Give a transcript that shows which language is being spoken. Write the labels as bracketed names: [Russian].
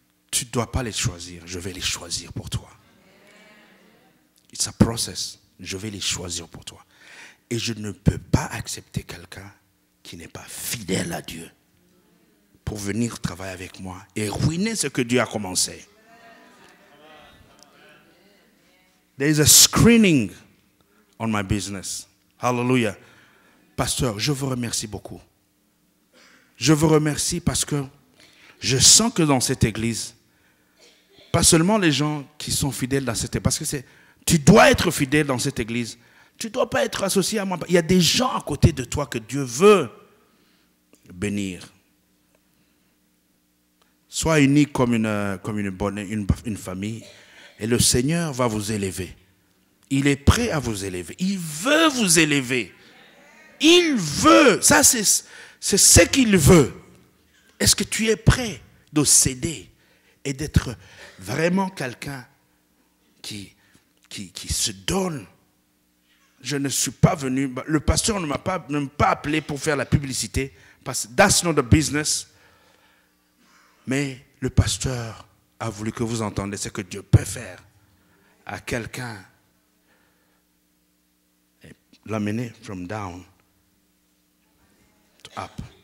[French] tu ne dois pas les choisir, je vais les choisir pour toi. [English] It's a process. [French] Je vais les choisir pour toi. Et je ne peux pas accepter quelqu'un qui n'est pas fidèle à Dieu pour venir travailler avec moi et ruiner ce que Dieu a commencé. [English] There is a screening on my business. Hallelujah. [French] Pasteur, je vous remercie beaucoup. Je vous remercie parce que je sens que dans cette église, pas seulement les gens qui sont fidèles dans cette église, parce que c'est, tu dois être fidèle dans cette église, tu ne dois pas être associé à moi. Il y a des gens à côté de toi que Dieu veut bénir. Sois unique comme une famille et le Seigneur va vous élever. Il est prêt à vous élever. Il veut vous élever. Il veut. Ça, c'est ce qu'il veut. Est-ce que tu es prêt de céder et d'être vraiment quelqu'un qui se donne? Je ne suis pas venu. Le pasteur ne m'a pas, même pas appelé pour faire la publicité. Parce que [English] that's not a business. [French] Mais le pasteur a voulu que vous entendiez ce que Dieu peut faire à quelqu'un. Et l'amener [English] from down to up.